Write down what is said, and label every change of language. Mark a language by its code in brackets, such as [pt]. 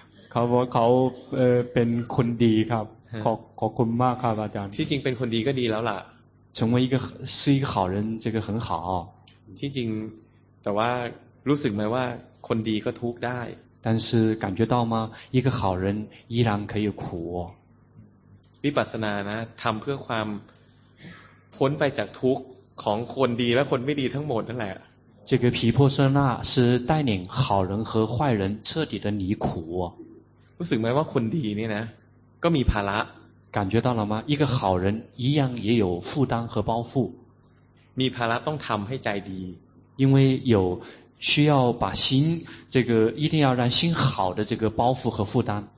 [th] เขาบอกเขาเป็นคนดีครับขอบคุณมากครับอาจารย์ ที่จริงเป็นคนดีก็ดีแล้วล่ะ [zh] 成为一个好人这个很好 [th] ที่จริงแต่ว่ารู้สึกไหมว่าคนดีก็ทุกข์ได้ [zh] 但是感觉到吗一个好人依然可以苦 [th] วิปัสสนานะทำเพื่อความพ้นไปจากทุกข์ของคนดีและคนไม่ดีทั้งหมดนั่นแหละ [zh] 这个毗婆舍那是带领好人和坏人彻底的离苦 [th] รู้สึกไหมว่าคนดีนี่นะก็มีภาระ [zh] 感觉到了吗一个好人一样也有负担和包袱 [th] มีภาระต้องทำให้ใจดี [zh] 因为有需要把心这个一定要让心好的这个包袱和负担